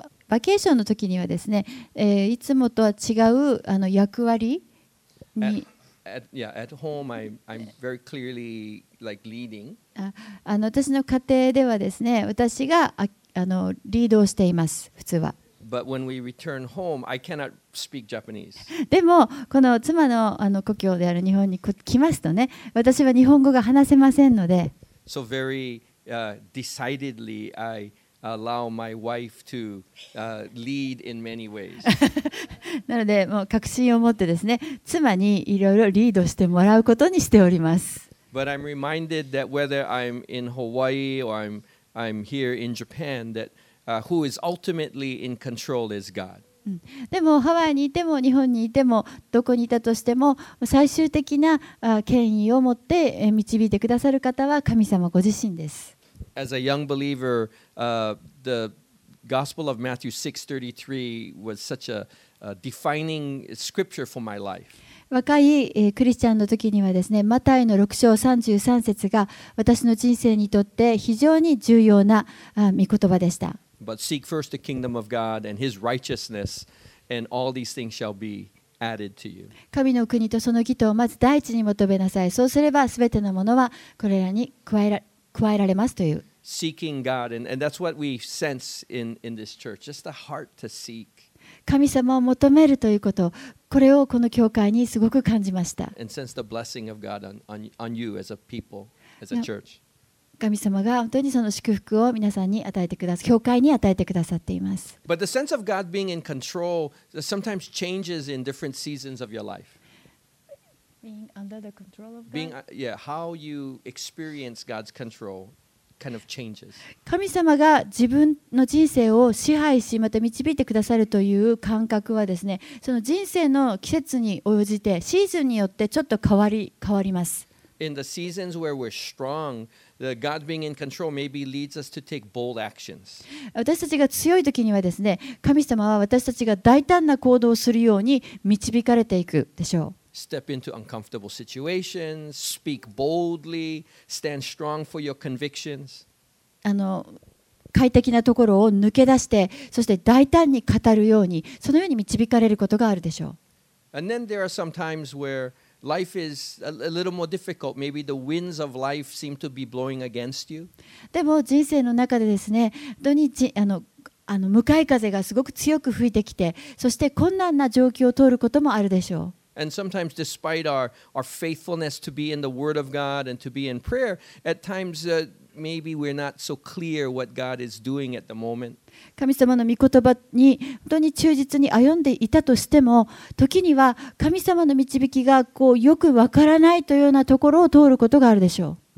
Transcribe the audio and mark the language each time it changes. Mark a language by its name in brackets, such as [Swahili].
[Japanese] バケーションの時にはですね、いつもとは違う役割に [English] At home, I'm very clearly like leading. [Japanese] 私の家庭ではですね、私がリードをしています。普通は。 [English] But when we return home, I cannot speak Japanese. [Japanese] でもこの妻の故郷である日本に来ますとね、私は日本語が話せませんので。 [English] So very decidedly, I allow my wife to lead in many ways. [Japanese] なのでもう確信を持ってですね、妻にいろいろリードしてもらうことにしております。 [English] But I'm reminded that whether I'm in Hawaii or I'm here in Japan, that who is ultimately in control is God. [Japanese] でもハワイにいても日本にいてもどこにいたとしても最終的な権威を持って導いてくださる方は神様ご自身です。 [English] As a young believer, the Gospel of Matthew 6:33 was such a defining scripture for my life. [Japanese] 若いクリスチャンの時にはですね、マタイの6章33節が私の人生にとって非常に重要な御言葉でした。 [English] But seek first the kingdom of God and his righteousness, and all these things shall be added to you. [Japanese] 神の国とその義とをまず第一に求めなさい。そうすれば全てのものはこれらに加えられますという。 [English] Seeking God, and that's what we sense in this church, just the heart to seek. [Japanese] 神様を求めるということ、これをこの教会にすごく感じました。神様が本当にその祝福を皆さんに与えてくださ、教会に与えてくださっています。 [English] But the sense of God being in control sometimes changes in different seasons of your life. Being under the control of God. Being, yeah, how you experience God's control. Kind of changes. [Japanese] 神様が自分の人生を支配しまた導いてくださるという感覚はですね、その人生の季節に応じてシーズンによってちょっと変わります。 [English] In the seasons where we're strong, the God being in control maybe leads us to take bold actions. [Japanese] 私たちが強い時にはですね、神様は私たちが大胆な行動をするように導かれていくでしょう。 [English] Step into uncomfortable situations, speak boldly, stand strong for your convictions. [Japanese] 快適なところを抜け出して、そして大胆に語るように、そのように導かれることがあるでしょう。 [English] And then there are some times where life is a little more difficult. Maybe the winds of life seem to be blowing against you. [Japanese] でも人生の中でですね、本当に向かい風がすごく強く吹いてきて、そして困難な状況を通ることもあるでしょう。 [English] And sometimes, despite our faithfulness to be in the Word of God and to be in prayer, at times, maybe we're not so clear what God is doing at the moment. [Japanese] 神様の御言葉に本当に忠実に歩んでいたとしても、時には神様の導きがこうよくわからないというようなところを通ることがあるでしょう。